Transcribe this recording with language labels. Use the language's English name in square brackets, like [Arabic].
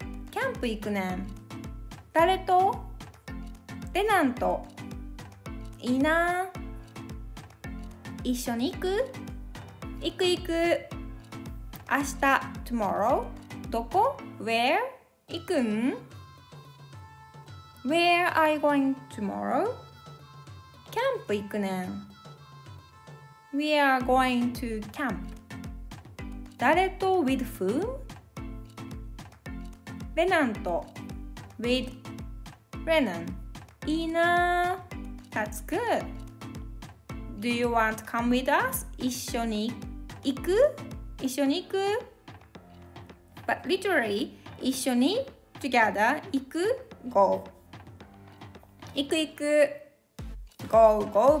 [Japanese] キャンプ行くねん。誰と？レナンと。いいな。一緒に行く？行く行く。明日 [English] tomorrow [Japanese] どこ [English] where [Japanese] 行くん？ [English] Where are you going tomorrow? [Japanese] キャンプ行くねん。 [English] We are going to camp [Japanese] 誰と [English] with whom? [Japanese] レナンと [English] with [Japanese] レナンいいな。 [English] That's good. Do you want to come with us? [Japanese] 一緒に行く？一緒に行く？ [English] But literally, [Japanese] 一緒に [English] together [Japanese] 行く？ [English] Go. [Japanese] 行く行く。 [English] Go, go.